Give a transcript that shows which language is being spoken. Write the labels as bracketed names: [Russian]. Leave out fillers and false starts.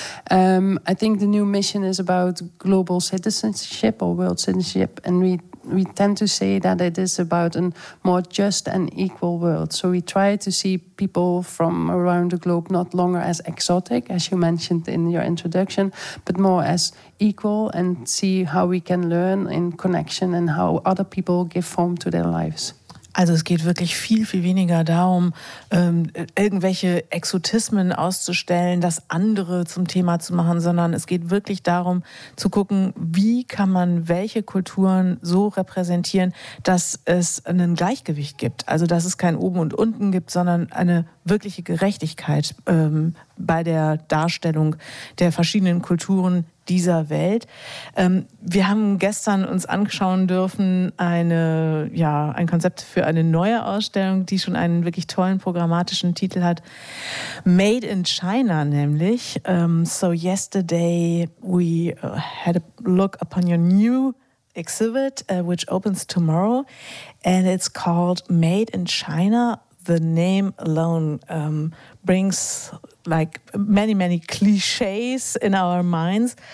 [English] I think the new mission is about global citizenship or world citizenship, and we tend to say that it is about a more just and equal world. So we try to see people from around the globe not longer as exotic, as you mentioned in your introduction, but more as equal, and see how we can learn in connection and how other people give form to their lives. [German] Also es geht wirklich viel, viel weniger darum, irgendwelche Exotismen auszustellen, das andere zum Thema zu machen, sondern es geht wirklich darum zu gucken, wie kann man welche Kulturen so repräsentieren, dass es ein Gleichgewicht gibt. Also dass es kein Oben und Unten gibt, sondern eine wirkliche Gerechtigkeit bei der Darstellung der verschiedenen Kulturen dieser Welt. Wir haben gestern uns anschauen dürfen ein Konzept für eine neue Ausstellung, die schon einen wirklich tollen programmatischen Titel hat. Made in China nämlich. [English] So yesterday we had a look upon your new exhibit, which opens tomorrow, and it's called Made in China, the name alone brings like many, many cliches in our minds.